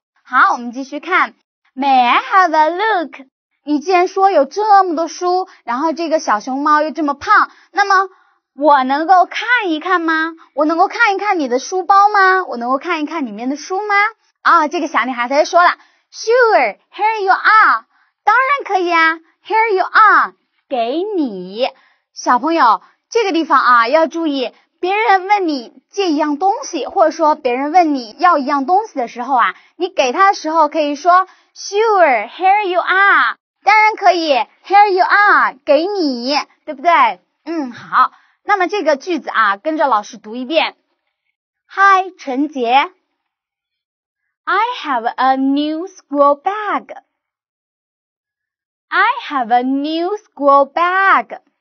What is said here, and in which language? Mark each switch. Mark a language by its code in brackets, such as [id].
[en] 好，我们继续看。 May I have a look? [zh] 你既然说有这么多书，然后这个小熊猫又这么胖，那么我能够看一看吗？我能够看一看你的书包吗？我能够看一看里面的书吗？啊，这个小女孩她就说了 Sure, here you are. [en] 当然可以啊， Here you are. [zh] 给你。小朋友，这个地方啊要注意，别人问你借一样东西，或者说别人问你要一样东西的时候啊，你给他的时候可以说 Sure, here you are. [en] 当然可以， Here you are. [zh] 给你，对不对？嗯，好，那么这个句子啊跟着老师读一遍。 Hi 陈杰。 [en] I have a new school bag. I have a new school bag.